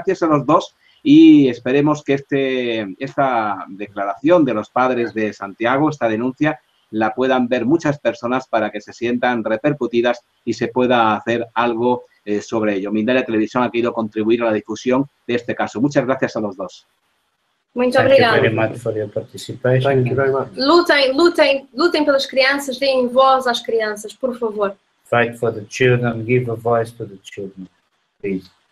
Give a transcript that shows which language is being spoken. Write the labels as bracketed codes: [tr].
[es] Gracias a los dos y esperemos que esta declaración de los padres de Santiago, esta denuncia, la puedan ver muchas personas para que se sientan repercutidas y se pueda hacer algo sobre ello. Mindalia Televisión ha querido contribuir a la difusión de este caso. Muchas gracias a los dos. [pt] Muito obrigado. [en] Thank you very much for your participation. Thank you very much. [pt] Lutem pelas crianças, deem voz às crianças, por favor. [en] Fight for the children, give a voice to the children, please.